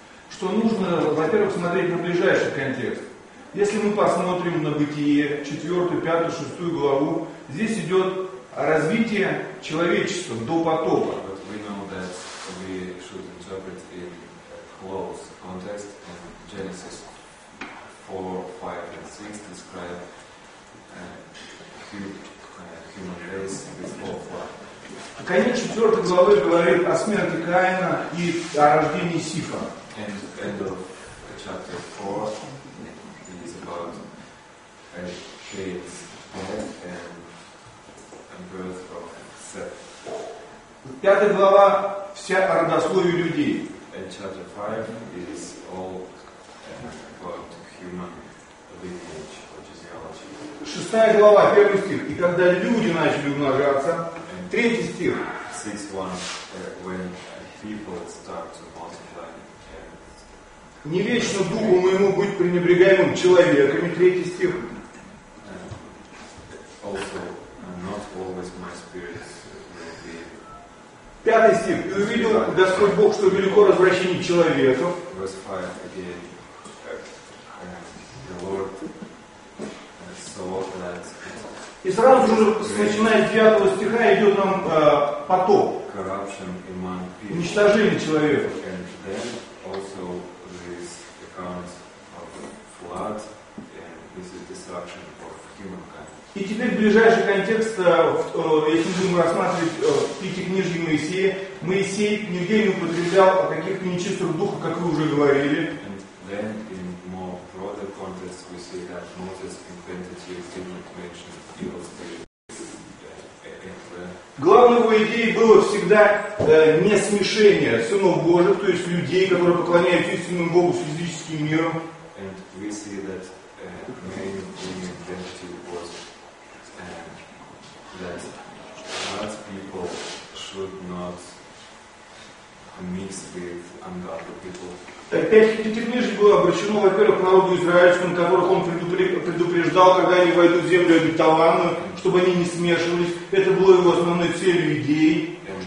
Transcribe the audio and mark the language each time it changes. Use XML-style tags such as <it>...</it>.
<ru>Что нужно, во-первых, смотреть на ближайший контекст. Если мы посмотрим на Бытие, 4, 5, 6 главу, здесь идет развитие человечества до потопа.</ru> <en>But we know that we should interpret in close context and Genesis 4, 5 and 6 describe human race before flood.</en> <ru>Конец 4 главы говорит о смерти Каина и о рождении Сифа.</ru> <en>And end of chapter 4 is about Cain's death and birth of Seth.</en> <ru>Пятая глава вся о родословии людей.</ru> <en>And chapter 5 is all about human lineage or genealogy.</en> <ru>Шестая глава, первый стих. И когда люди начали умножаться. Третий стих.</ru> <en>Sixth one, when people start to multiply.</en> <ru>Не вечно Духу моему быть пренебрегаемым человеками. Третий стих.</ru> <en>Also, not always my spirit will be...</en> <ru>Пятый стих. И увидел Господь Бог, что велико развращение человеков.</ru> <en>Verse 5 again. The Lord saw that...</en> <ru>И сразу же, начиная с 9 стиха, идет нам поток.</ru> <en>Corruption among people.</en> <ru>Уничтожение человеков.</ru> <en>And then also... of flood and this is destruction of humankind.</en> <ru>И теперь ближайший контекст, если будем рассматривать пятикнижие Моисея, Моисей нигде не употреблял о каких-то нечистых духах, как вы уже говорили.</ru> <en>And then in more broader context we see that Moses in Pentateuch did not mention evil spirits.</en> <ru>Главной его идеей было всегда не смешение сынов Божьих, то есть людей, которые поклоняются истинному Богу с физическим миром.</ru> <en>And we see that main identity was that God's people should not mix with ungodly people.</en> <ru>Пятикнижие было обращено, во-первых, к народу израильскому, которых он предупреждал, когда они войдут в землю обетованную, чтобы они не смешивались. Это было его основной целью, идеей.</ru>